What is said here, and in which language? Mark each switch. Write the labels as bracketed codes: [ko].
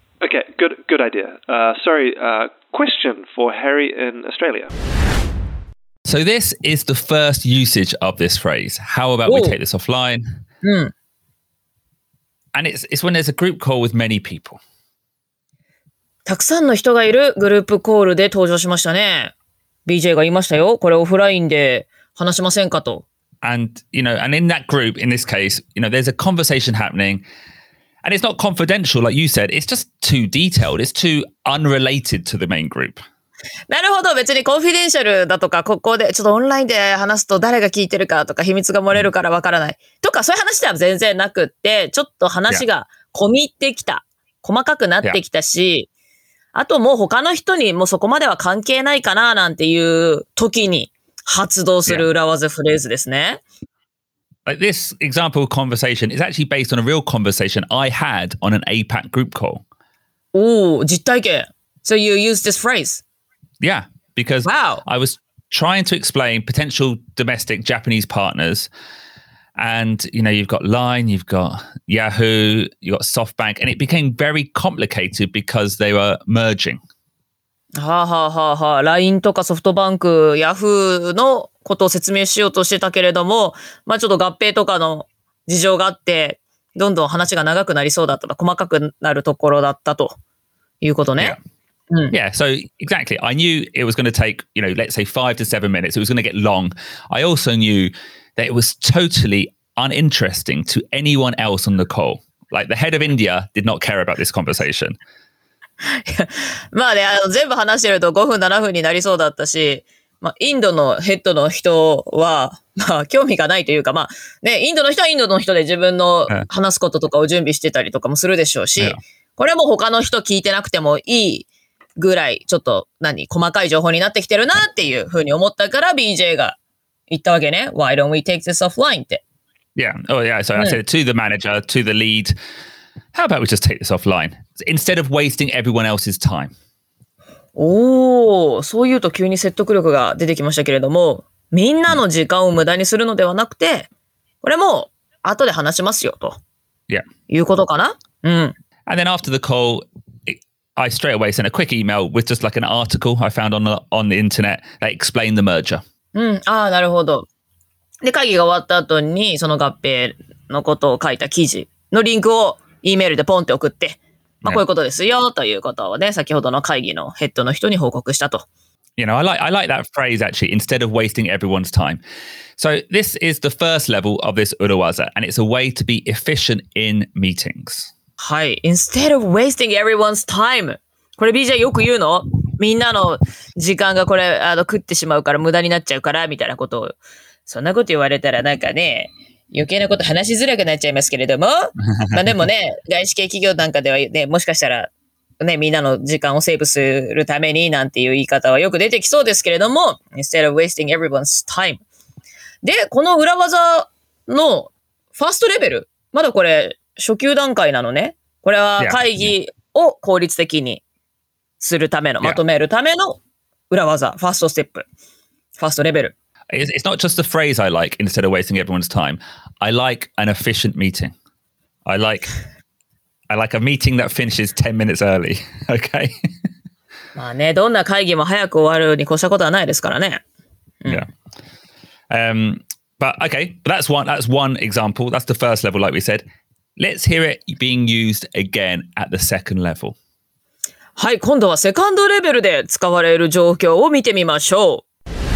[en] Okay, good idea. Question for Harry in Australia. So this is the first usage of this phrase. How about Ooh. We take this offline? And it's when there's a group call with many people. [ja] たくさんの人がいるグループコールで登場しましたね。BJ が言いましたよ。これオフラインで話しませんかと。 [en] And in that group, in this case, you know, there's a conversation happening. And it's not confidential, like you said. It's just too detailed. It's too unrelated to the main group. [ja] なるほど。別にコンフィデンシャルだとか、ここでちょっとオンラインで話すと誰が聞いてるかとか、秘密が漏れるからわからない。とか、そういう話では全然なくって、ちょっと話が込み入ってきた。 Yeah. 細かくなってきたし、yeah. あともう他の人にもそこまでは関係ないかななんていう時に発動する裏技フレーズですね。 [en] Yeah. Like、this example conversation is actually based on a real conversation I had on an APAC group call. Oh, [ja] 実体験。 [en] So you use this phrase? Yeah, because、wow. I was trying to explain potential domestic Japanese partners, and you know you've got LINE, you've got... Yahoo, you got SoftBank, and it became very complicated because they were merging. [ja] はあはあはあはあ、LINE とかソフトバンク、Yahoo のことを説明しようとしてたけれども、まあちょっと合併とかの事情があって、どんどん話が長くなりそうだったと、細かくなるところだったということね。 [en] Yeah. うん、yeah, so exactly. I knew it was going to take, you know, let's say 5 to 7 minutes. It was going to get long. I also knew that it was totally... uninteresting to anyone else on the call. Like the head of India did not care about this conversation. [ja] まあね、あの、全部話してると5分7分になりそうだったし、まあ、インドのヘッドの人は、まあ、興味がないというか、まあね、インドの人はインドの人で自分の話すこととかを準備してたりとかもするでしょうし、これも他の人聞いてなくてもいいぐらいちょっと何細かい情報になってきてるなっていうふうに思ったから BJ が言ったわけね。 [en] Why don't we take this offline って。 Yeah. Oh, yeah. So I said to the manager, to the lead, how about we just take this offline instead of wasting everyone else's time? [ja] Oh, そういうと急に説得力が出てきましたけれども、みんなの時間を無駄にするのではなくて、これも後で話しますよと。 [en] Yeah. [ja] いうことかな。うん。 [en] And then after the call, I straight away sent a quick email with just like an article I found on the internet that explained the merger. [ja] うん。ああ、なるほど。で会議が終わった後にその合併のことを書いた記事のリンクを E メールでポンって送って、まあ、こういうことですよということをね、先ほどの会議のヘッドの人に報告したと。 [en] You know, I like that phrase actually, instead of wasting everyone's time. So this is the first level of this urawaza, and it's a way to be efficient in meetings. [ja] はい、 [en] instead of wasting everyone's time. [ja] これ BJ よく言うの? みんなの時間がこれ、あの、食ってしまうから無駄になっちゃうからみたいなことを。そんなこと言われたらなんかね、余計なこと話しづらくなっちゃいますけれども、まあでもね、外資系企業なんかではね、もしかしたらね、みんなの時間をセーブするためになんていう言い方はよく出てきそうですけれども、 [en] instead of wasting everyone's time。 [ja] で、この裏技のファーストレベル、まだこれ初級段階なのね。これは会議を効率的にするための、まとめるための裏技、ファーストステップ、ファーストレベル。 [en] It's not just the phrase I like, instead of wasting everyone's time. I like an efficient meeting. I like a meeting that finishes 10 minutes early. Okay? [ja] まあね、どんな会議も早く終わるに越したことはないですからね。 [en] But okay, but that's one example. That's the first level, like we said. Let's hear it being used again at the second level. [ja] はい、今度はセカンドレベルで使われる状況を見てみましょう。